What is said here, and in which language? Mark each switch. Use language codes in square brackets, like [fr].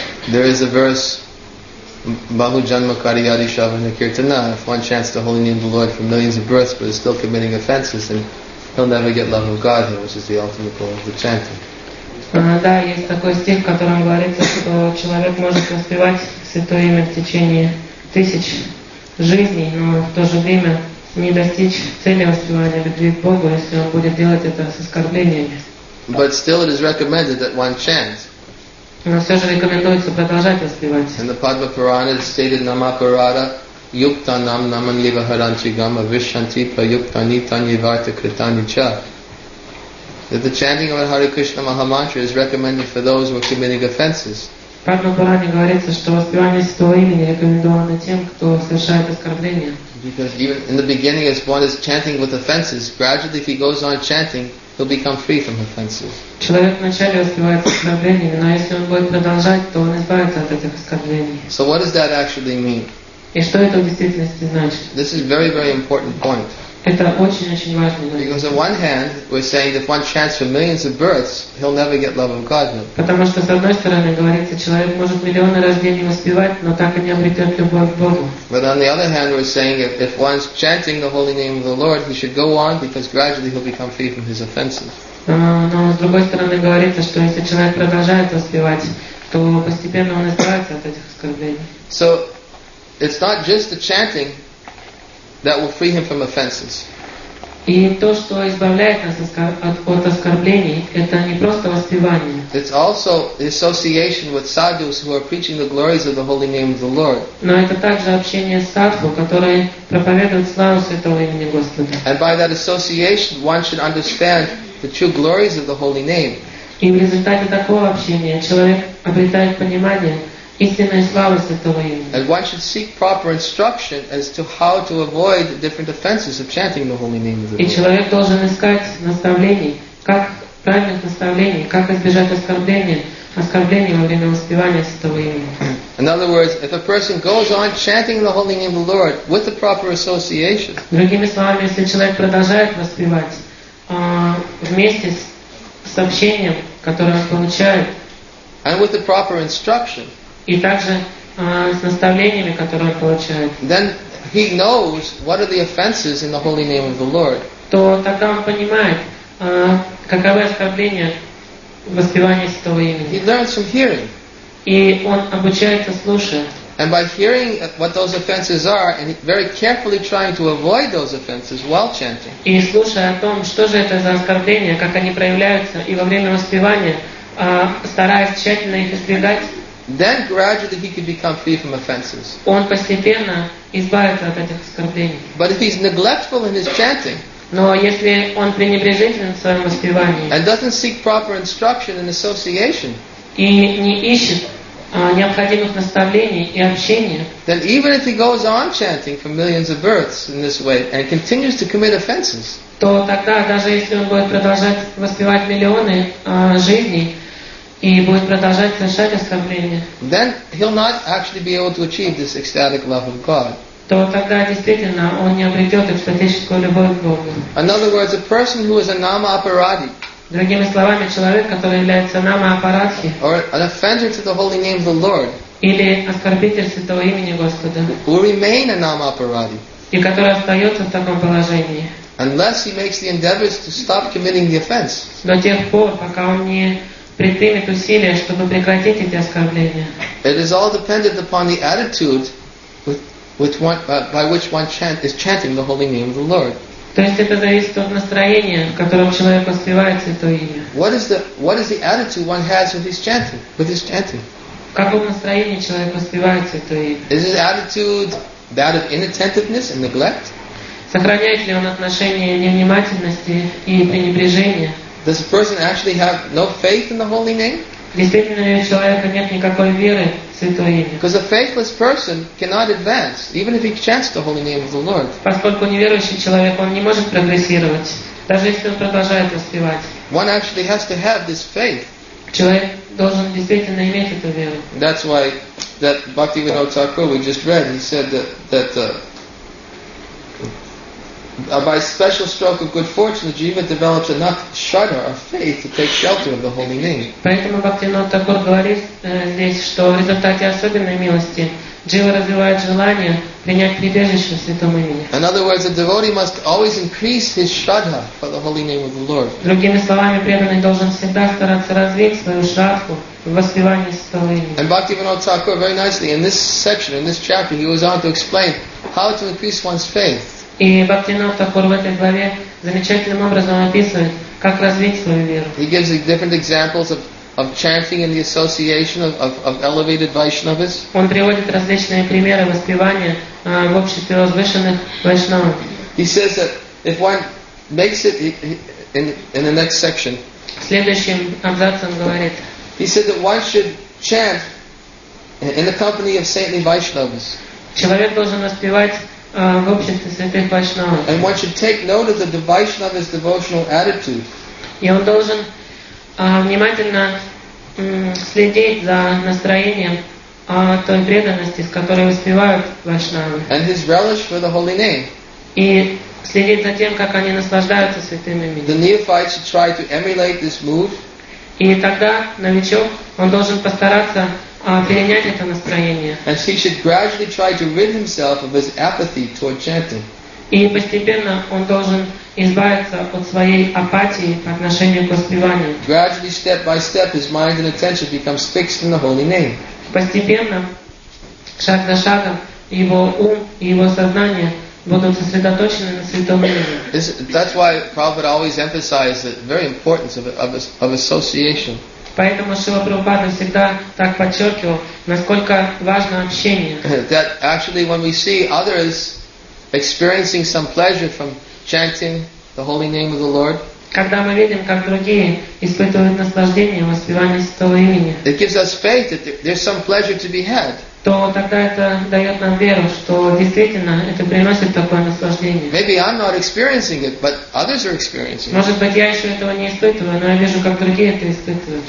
[en] There is a verse, [sa] Bahu Janma Kari Yadi Shavana Kirtana, [en] if one chants the holy name of the Lord for millions of births but is still committing offenses, then he'll never get love of God, which is the ultimate goal of the chanting. [ru] Да, есть такой стих, в котором говорится, что человек может воспевать святое имя в течение тысяч жизней, но в то же время не достичь цели воспевания любви к Богу, если он будет делать это с оскорблениями. [en] But still it is recommended that one chants. [ru] Но все же рекомендуется продолжать воспевать. [en] In the Padma Purana it stated [sa] Namakarada Yukta Nam Naman Liva Haranchi Gama Vishanti Payukta Nitanya Varta Kritani Cha. [en] That the chanting of a Hare Krishna Maha Mantra is recommended for those who are committing offenses. [ru] В Padma Purana говорится, что воспевание святого имени рекомендовано тем, кто совершает оскорбление. [en] Because even in the beginning as one is chanting with offenses, gradually if he goes on chanting, he'll become free from offenses. [ru] Человек вначале воспевает оскорбление, но если он будет продолжать, то он избавится от этих оскорблений. [en] So what does that actually mean? [ru] И что это в действительности значит? [en] This is very, very important point. [ru] Это очень-очень важный момент. [en] Because on one hand, we're saying that if one chants for millions of births, he'll never get love of God. [ru] Потому что с одной стороны говорится, человек может миллионы рождений воспевать, но так и не обретет любовь к Богу. [en] But on the other hand, we're saying that if one's chanting the holy name of the Lord, he should go on because gradually he'll become free from his offenses. [ru] Но с другой стороны говорится, что если человек продолжает воспевать, то постепенно он избавится от этих оскорблений. [en] So it's not just the chanting that will free him from offenses. [ru] И то, что избавляет нас от оскорблений, это не просто воспевание. [en] It's also the association with sadhus who are preaching the glories of the holy name of the Lord. [ru] Но это также общение с садху, которые проповедуют славу святого имени Господа. [en] And by that association, one should understand the true glories of the holy name. [ru] И в результате такого общения человек обретает понимание истинной славы святого имени. [en] And one should seek proper instruction as to how to avoid the different offenses of chanting the holy name of the Lord. [ru] И человек должен искать наставление, как правильное наставление, как избежать оскорбления во время воспевания святого имени. [en] In other words, if a person goes on chanting the holy name of the Lord with the proper association, [ru] другими словами, если человек продолжает воспевать вместе с общением, которое он получает, [en] and with the proper instruction, [ru] и также с наставлениями, которые он получает, [en] then he knows what are the offenses in the holy name of the Lord. [ru] То тогда он понимает, каковы оскорбления воспевания святого имени. [en] He learns from hearing. [ru] И он обучается слушая. [en] And by hearing what those offenses are and very carefully trying to avoid those offenses while chanting. [ru] И слушая о том, что же это за оскорбления, как они проявляются, и во время воспевания, стараясь тщательно их избегать. [en] Then gradually he could become free from offenses. [ru] Он постепенно избавится от этих оскорблений. [en] But if he's neglectful in his chanting. [ru] Но если он пренебрежителен в своем воспевании. [en] And doesn't seek proper instruction and association. [ru] И не ищет необходимых наставлений и общения. [en] Then even if he goes on chanting for millions of births in this way and continues to commit offenses. [ru] То тогда, даже если он будет продолжать воспевать миллионы жизней и будет продолжать совершать оскорбления. [en] Then he'll not actually be able to achieve this ecstatic love of God. [ru] То тогда действительно он не обретет экстатическую любовь к Богу. [en] In other words, a person who is a nama-aparadi. [ru] Другими словами, человек, который является нама-апарадхи, [en] or an offender to the holy name of the Lord, [ru] или оскорбитель святого имени Господа, [en] will remain a nama-aparadi, [ru] и который остается в таком положении, [en] unless he makes the endeavors to stop committing the offense. [ru] До тех пор, пока он не предпримет усилия, чтобы прекратить эти оскорбления. [en] It is all dependent upon the attitude with one, by which one chant, is chanting the holy name of the Lord. [ru] То есть это зависит от настроения, в котором человек воспевает святое имя. [en] What is the attitude one has with his chanting? [ru] Каком настроении человек воспевает святое имя? [en] Is his attitude that of inattentiveness and neglect? [ru] Сохраняет ли он отношение невнимательности и пренебрежения? [en] Does a person actually have no faith in the holy name? [ru] Действительно ли у человека нет никакой веры в святое имя? [en] Because a faithless person cannot advance, even if he chants the holy name of the Lord. [ru] Поскольку неверующий человек, он не может прогрессировать, даже если он продолжает воспевать. [en] One actually has to have this faith. [ru] Человек должен действительно иметь эту веру. [en] That's why that Bhaktivinoda Thakur we just read, he said by special stroke of good fortune, the jiva develops enough shudder of faith to take shelter of the holy name. [ru] Поэтому Бхактивинода Тхакур говорит здесь, что в результате особенной милости джива развивает желание принять прибежище в святом имени. [en] In other words, the devotee must always increase his shudder for the holy name of the Lord. [ru] Другими словами, преданный должен всегда стараться развить свою шатху в воспевании святого имени. [en] And Бхактивинода Тхакур very nicely in this section, in this chapter, he goes on to explain how to increase one's faith. [ru] И Бхактивинода Тхакур в этой главе замечательным образом описывает, как развить свою веру. [en] He gives different examples of chanting in the association of elevated Vaishnavas. [ru] Он приводит различные примеры воспевания в обществе возвышенных вайшнавов. [en] He says that if one makes it in the next section. [ru] Следующим абзацем говорит. [en] He said that one should chant in the company of saintly Vaishnavas. [ru] Человек должен воспевать в обществе святых вайшнавов. [en] And one should take note of the Vaishnava's devotional attitude. [ru] И он должен внимательно следить за настроением той преданности, с которой воспевают вайшнавы. [en] And his relish for the holy name. [ru] И следить за тем, как они наслаждаются святым именем. [en] The neophyte should try to emulate this move. [ru] И тогда новичок, он должен постараться перенять это настроение. [en] And he should gradually try to rid himself of his apathy toward chanting. [ru] И постепенно он должен избавиться от своей апатии по отношению к воспеванию. [en] Gradually, step by step, his mind and attention becomes fixed in the holy name. [ru] Постепенно, шаг за шагом, его ум и его сознание будут сосредоточены на святом имени. [en] That's why Prabhupada always emphasized the very importance of association. [ru] Поэтому Шрила Прабхупада всегда так подчеркивал, насколько важно общение. [en] That actually when we see others experiencing some pleasure from chanting the holy name of the Lord, [ru] когда мы видим, как другие испытывают наслаждение воспевание святого имени, [en] it gives us faith that there's some pleasure to be had. [ru] то тогда это дает нам веру, что действительно это приносит такое наслаждение. [en] Maybe I'm not experiencing it, but others are experiencing it. [ru] Может быть, я еще этого не испытываю, но я вижу, как другие это испытывают.